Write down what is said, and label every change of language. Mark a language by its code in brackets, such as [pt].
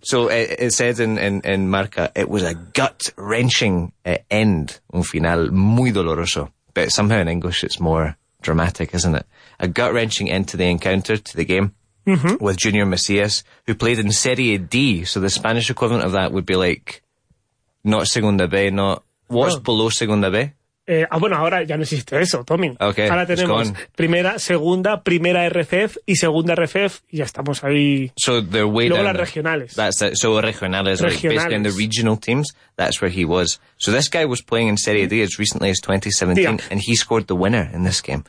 [en] So it said in Marca, it was a gut-wrenching end, [es] un final muy doloroso. [en] But somehow in English it's more dramatic, isn't it? A gut-wrenching end to the encounter, to the game, mm-hmm. with Junior Macias, who played in Serie D. So the Spanish equivalent of that would be like, not Segunda B, not... What's below Segunda B? [es] Bueno, ahora ya no existe eso, Tommy. [en] Okay, [es] ahora tenemos primera, segunda, primera RFF y segunda RFF y ya estamos ahí. [en] So they're way [es] luego [en] down [es] las regionales. [en] That's it. So regionales, right? Basically in the regional teams, that's where he was. So this guy was playing in Serie D as recently as 2017, yeah. And he scored the winner in this game.